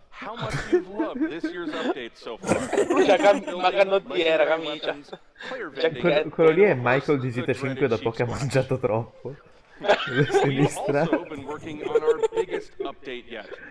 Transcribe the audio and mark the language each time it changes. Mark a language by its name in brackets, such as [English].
[English] How much you've loved this year's update so far. [Italian] Cioè, ma canottiera, camicia. Cioè, quello lì è Michael di GTA 5 dopo che ha mangiato troppo. La sinistra. [English] We've also been working on our biggest update yet.